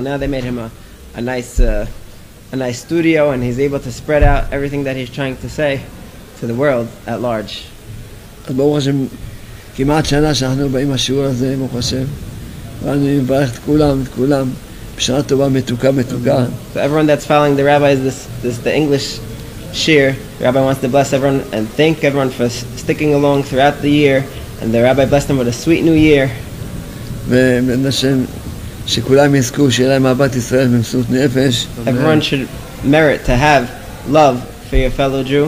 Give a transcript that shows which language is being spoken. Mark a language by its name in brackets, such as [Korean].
[English] Now they made him a nice studio and he's able to spread out everything that he's trying to say to the world at large. [Hebrew] אז ברוך השם, כמעט שנה שאנחנו באים השיעור הזה, ברוך השם, ואני מברך את כולם, את כולם. [English] So everyone that's following the rabbi is this the English shir. The rabbi wants to bless everyone and thank everyone for sticking along throughout the year. And the rabbi blessed them with a sweet new year. Everyone should merit to have love for your fellow Jew.